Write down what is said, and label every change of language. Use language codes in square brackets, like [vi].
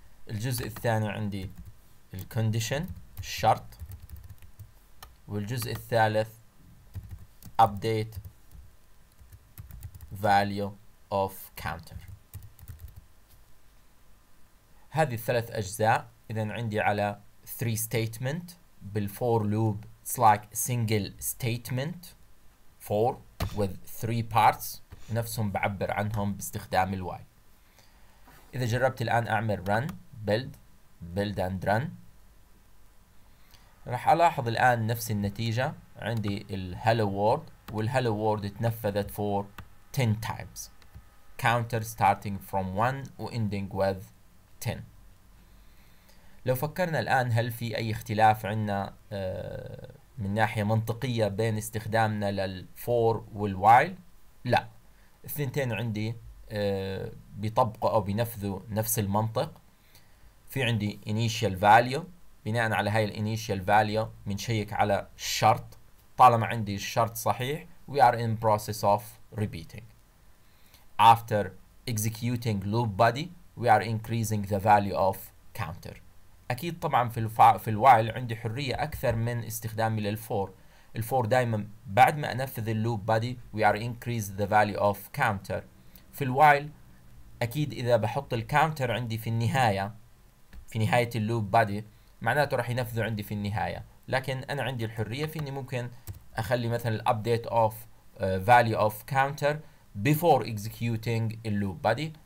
[ar] الجزء الثاني عندي الcondition الشرط، والجزء الثالث update value of counter. هذه الثلاث أجزاء إذا عندي على three statement بالfor loop. [en] It's like single statement for with three parts، نفسهم بعبر عنهم باستخدام الواي. [ar] إذا جربت الآن أعمل run build and run، راح ألاحظ الآن نفس النتيجة عندي الهلو وورد، والهلو وورد تنفذت for 10 times counter starting from 1 و ending with 10. لو فكرنا الآن هل في أي اختلاف عندنا من ناحية منطقية بين استخدامنا للفور والوايل؟ لا، الثنتين عندي بيطبقوا أو بينفذوا نفس المنطق. في عندي initial value، بناء على هاي الانيشال فاليو بنشيك على الشرط، طالما عندي الشرط صحيح we are in process of repeating. [en] After executing loop body we are increasing the value of counter. [ar] اكيد طبعا في الوايل عندي حرية اكثر من استخدامي للفور. الفور دائما بعد ما انفذ اللوب body we are increase the value of counter. في الوايل اكيد اذا بحط الكاونتر عندي في النهاية، في نهاية اللوب body، معناته راح ينفذ عندي في النهايه، لكن انا عندي الحريه في اني ممكن اخلي مثلا الابديت اوف فاليو اوف كاونتر بيفور اكزكيوتينج اللوب بادي.